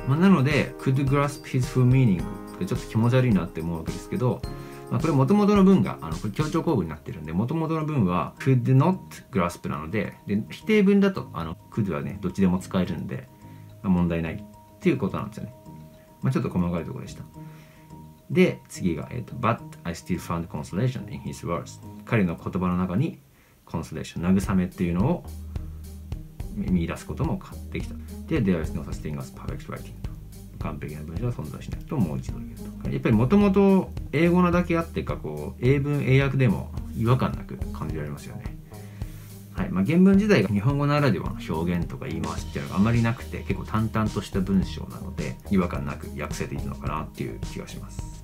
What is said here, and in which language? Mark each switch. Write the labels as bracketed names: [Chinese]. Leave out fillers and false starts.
[Japanese] まあ、なので [English] could grasp his full meaning [Japanese] ってちょっと気持ち悪いなって思うわけですけど、まあ、これ元々の文がこれ強調構文になってるんで、元々の文は [English] could not grasp [Japanese] なの で否定文だと could はねどっちでも使えるんで、まあ、問題ないっていうことなんですよね。まあ、ちょっと細かいところでした。で、次が、 [English] But I still found consolation in his words. [Japanese] 彼の言葉の中に consolation、慰めっていうのを見出すことも買ってきた。 [English] で、There is no such thing as perfect writing. [Japanese] 完璧な文章は存在しないともう一度言うと。やっぱりもともと英語なだけあってか、こう、英文英訳でも違和感なく感じられますよね。はい、まあ、原文自体が日本語ならではの表現とか言い回しっていうのがあまりなくて、結構淡々とした文章なので違和感なく訳せていいのかなっていう気がします。